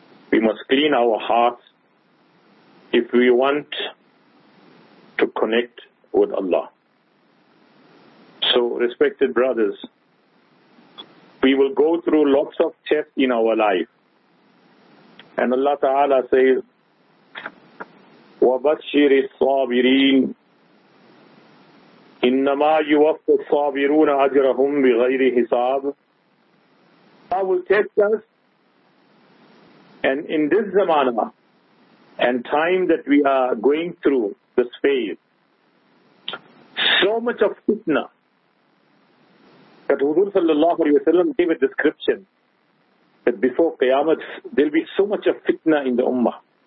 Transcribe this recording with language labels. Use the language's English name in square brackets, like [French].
[English] We must clean our hearts if we want to connect with Allah. So, respected brothers, we will go through lots of tests in our life. And Allah Ta'ala says, [Arabic] وَبَشِّرِ الصَّابِرِينَ إِنَّمَا يُوَفَّ الصَّابِرُونَ أَجْرَهُمْ بِغَيْرِ حِسَابٍ. [English] Allah will test us, and in this zamana and time that we are going through this phase, so much of fitna that Hudur sallallahu alayhi wa sallam gave a description that before Qiyamah there will be so much of fitna in the ummah.